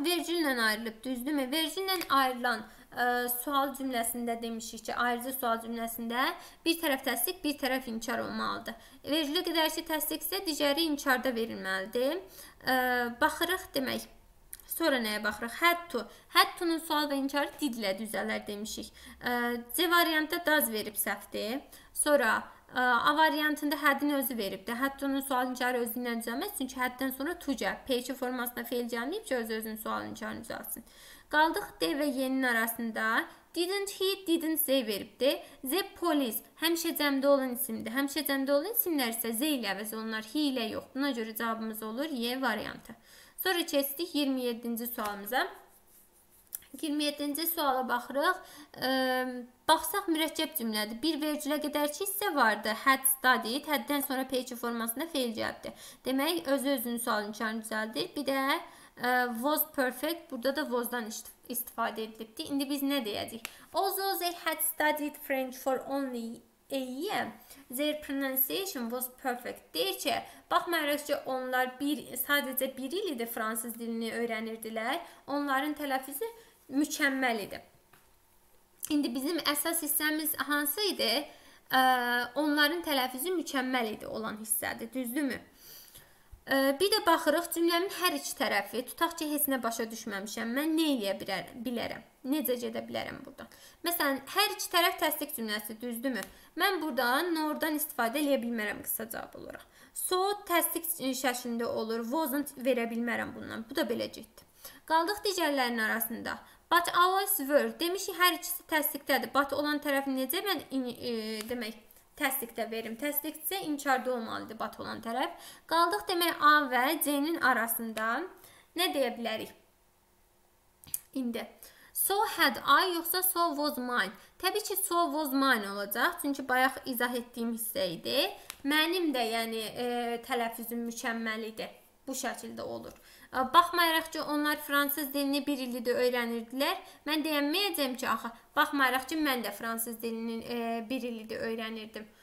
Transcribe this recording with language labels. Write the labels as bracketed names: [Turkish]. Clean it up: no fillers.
[Azerbaijani] Vergüllə ayrılıb, düzdürmü? Vergüllə ayrılan sual cümləsində demişik ki, ayrıca sual cümləsində bir tərəf təsdiq, bir tərəf inkar olmalıdır. Vergül qədər ki təsdiqsə, digəri inkarda verilməlidir. Baxırıq demək. Sonra nəyə baxırıq? [English] Had to. [Azerbaijani] Had to-nun sual və inkarı did ilə düzələr demişik. C variantda does verib səhvdir. Sonra A variantında had-in özü veribdir. Had to-nun sual inkarı özündən düzəlməz. Çünki had-dən sonra to gəl. P-ki formasında fail gəlməyib ki, özünün sual inkarını düzəlsin. Qaldıq D və Y-nin arasında. [English] Didn't he, didn't Z veribdir. [Azerbaijani] Z polis. Həmişə cəmdə olan isimdir. Həmişə cəmdə olan isimlər isə Z ilə əvəz olunur. He ilə yox. Buna görə cavabımız olur Y variantı. Sonra keçdik 27-ci sualımıza. 27-ci suala baxırıq. Baxsaq mürəkkəb cümlədir. Bir vergülə qədər ki hissə vardı. [English] Had studied. [Azerbaijani] Had-dən sonra peçi formasında fail gəldi. Demək, özü-özünün sualın çarını düzəldir. Bir də [English] was perfect. [Azerbaijani] Burada da was-dan istifadə edilibdir. İndi biz nə deyəcək? [English] Although they had studied French for only a year, their pronunciation was perfect. [Azerbaijani] Deyir ki, baxmayaraq ki, onlar sadəcə bir il idi fransız dilini öyrənirdilər. Onların tələffüzü mükəmməl idi. İndi bizim əsas hissəmiz hansı idi? Onların tələffüzü mükəmməl idi olan hissədir. Düzdürmü? Bir də baxırıq cümlənin hər iki tərəfi. Tutaq ki, heç nə başa düşməmişəm. Mən nə eləyə bilərəm? Necə gedə bilərəm burada? Məsələn, hər iki tərəf təsdiq cümləsi düzdürmü? Mən burada nordan istifadə eləyə bilmərəm qısa cavab olaraq. So təsdiq şəklində olur. Wasn't verə bilmərəm bundan. Bu da belə getdi. Qaldıq digərlərin arasında. [English] But ours were. [Azerbaijani] Demiş ki, hər ikisi təsdiqdədir. But olan tərəfi necə? Mən demək, təsdiqdə verim. Təsdiqdə inkarda olmalıdır but olan tərəf. Qaldıq demək A və C-nin arasında. Nə deyə bilərik? İndi. [English] So had I [Azerbaijani] yoxsa [English] so was mine? [Azerbaijani] Təbii ki [English] so was mine [Azerbaijani] olacaq. Çünki bayaq izah etdiyim hissə idi. Mənim də yəni tələffüzüm mükəmməl idi. Bu şəkildə olur. Baxmayaraq ki onlar fransız dilini bir ildə də öyrənirdilər. Mən deyəməyəcəm ki axı baxmayaraq ki mən də fransız dilinin bir ildə öyrənirdim.